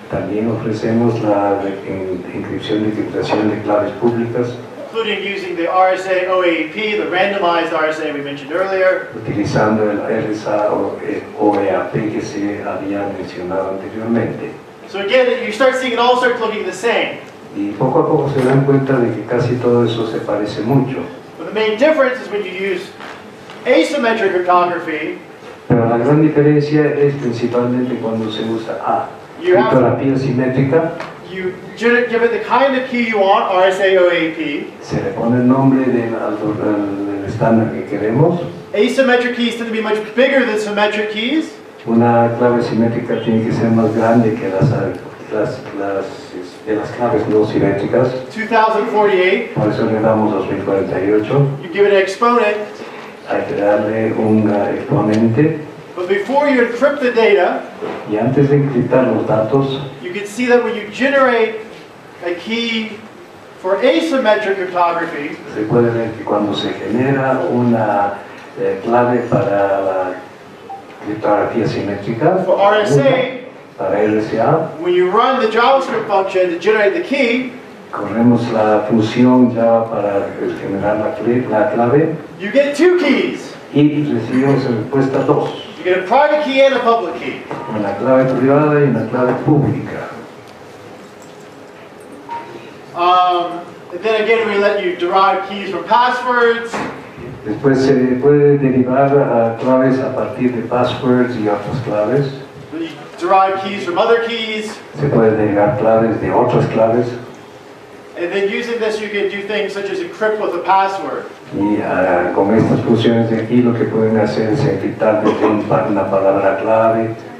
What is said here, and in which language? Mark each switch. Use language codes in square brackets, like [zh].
[es] También ofrecemos la encripción y decriptación de claves públicas. [en] Including using the RSA OAAP, the randomized RSA we mentioned earlier. [es] Utilizando el RSA OAAP que se había mencionado anteriormente. [en] So again, you start seeing it all start looking the same. [es] Y poco a poco se dan cuenta de que casi todo eso se parece mucho. [en] But the main difference is when you use asymmetric cryptography. [es] Pero la gran diferencia es principalmente cuando se usa A. Criptografía simétrica. [en] You give it the kind of key you want, RSA OAP. [es] Se le pone el nombre del estándar que queremos. [en] Asymmetric keys tend to be much bigger than symmetric keys. [es] Una clave simétrica tiene que ser más grande que las claves no simétricas. [en] 2048. [es] Por eso le damos 2048. [en] You give it an exponent. [es] Hay que darle un exponente. [en] But before you encrypt the data, [es] y antes de encriptar los datos, [en] you can see that when you generate a key for asymmetric cryptography, [es] se puede ver que cuando se genera una clave para la criptografía simétrica, [en] for RSA, [es] para RSA, [en] when you run the JavaScript function to generate the key, [es] corremos la función ya para generar la clave, [en] you get two keys. [es] Y recibimos la respuesta 2. [en] You get a private key and a public key. [es] Una clave privada y una clave pública. [en] Then again, we let you derive keys from passwords. [es] Después se puede derivar claves a partir de passwords y otras claves. [en] You derive keys from other keys. [es] Se puede derivar claves de otras claves. [en] And then using this, you can do things such as encrypt with a password. [es] Y con estas funciones de aquí, lo que pueden hacer es encriptar con una palabra clave.